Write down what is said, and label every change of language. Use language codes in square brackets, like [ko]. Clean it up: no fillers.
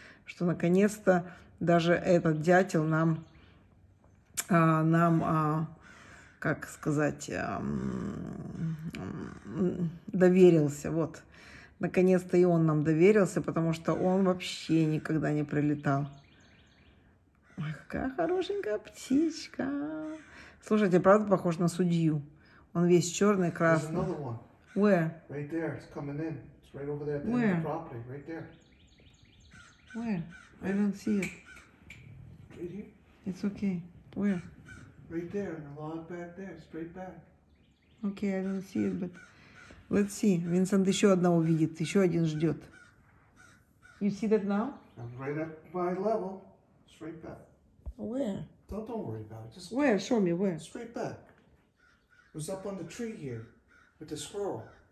[ru] Что наконец-то даже этот дятел доверился. Вот, наконец-то и он нам доверился, потому что он вообще никогда не прилетал. Ой, какая хорошенькая птичка. Слушайте, правда похож на судью? Он весь черный, красный. [en] There's another one. Where? Right there, it's coming in. It's right over there at the end of the property, right there. Where? I don't see it. Right here? It's okay. Where? Right there, in the log back there, straight back. Okay, I don't see it, but let's see. [ru] Винсент еще одного видит, еще один ждет. [en] You see that now? I'm right at my level, straight back. Where? Don't worry about it. Just where? Show me where. Straight back. It was up on the tree here with the squirrel.